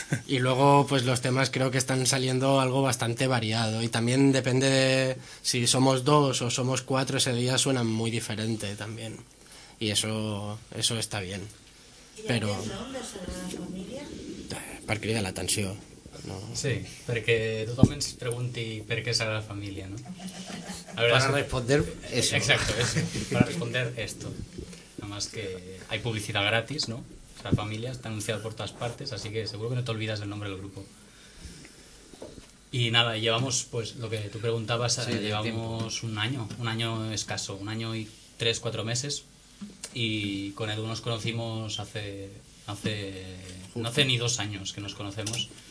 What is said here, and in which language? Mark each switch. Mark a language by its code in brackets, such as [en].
[es] Y luego, pues los temas creo que están saliendo algo bastante variado. Y también depende de si somos dos o somos cuatro, ese día suena muy diferente también. Y eso está bien. Pero... ¿Y el nombre de Sagrada Familia? [ca] Per cridar l'atenció. No. Sí, perquè tothom ens pregunti per què Sagrada Família, no? A veure, [es] para responder eso. Exacto, eso. Para responder esto. Nada más que hay publicidad gratis, ¿no? Sagrada Família está anunciada por todas partes, así que seguro que no te olvidas del nombre del grupo. Y nada, llevamos, pues, lo que tú preguntabas, sí, llevamos un año escaso, un año y 3-4 meses, y con Edu nos conocimos no hace ni 2 años que nos conocemos.